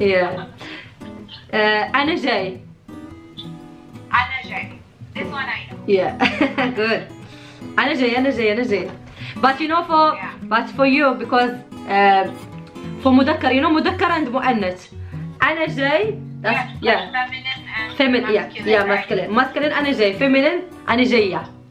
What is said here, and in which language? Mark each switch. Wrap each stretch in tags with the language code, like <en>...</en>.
<ar>yeah أنا جاي أنا جاي.</ar> <en>This one I know. Yeah.</en> <ar>Good. أنا جاي أنا جاي أنا جاي.</ar> <en>But you know for yeah. but for you because for</en> <ar>مذكر</ar> <en>you know</en> <ar>مذكر</ar> <en>and</en> <ar>مؤنث. أنا جاي.</ar> <en>That's, yeah. yeah. Feminine and feminine, masculine. Yeah. yeah masculine. Right?</en> <ar>Masculine أنا جاي. Feminine أنا جاية.</ar>